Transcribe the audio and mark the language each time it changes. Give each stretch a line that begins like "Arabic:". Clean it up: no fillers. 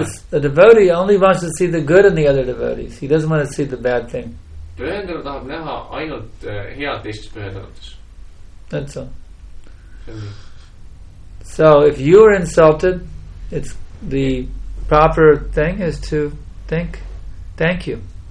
English: The devotee only wants to see the good in the other devotees. He doesn't want to see the bad thing.
Estonian: Pühendunud tahab näha ainult head teistes pühendunutes.
English: That's all. So if you are insulted, it's the proper thing is to thank you.